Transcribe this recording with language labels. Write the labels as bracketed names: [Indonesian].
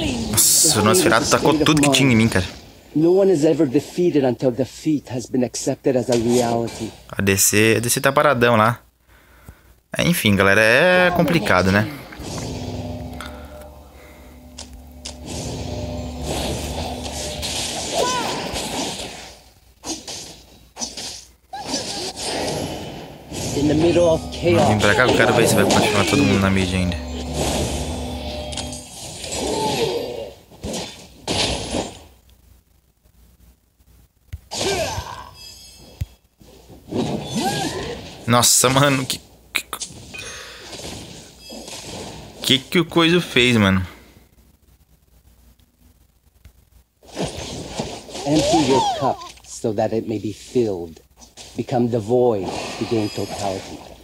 [Portuguese] Nossa, o Nosferatu tacou tudo que tinha em mim, cara. [English] No one is ever defeated until defeat has been accepted as a reality. [Portuguese] A DC tá paradão lá. Enfim, galera, é complicado, né? Ah! Vem pra cá, eu quero ver se vai continuar todo mundo na mídia ainda. Nossa, mano, que o coisa fez, mano? [English] Empty your cup so that it may be filled. Become the void, to gain totality.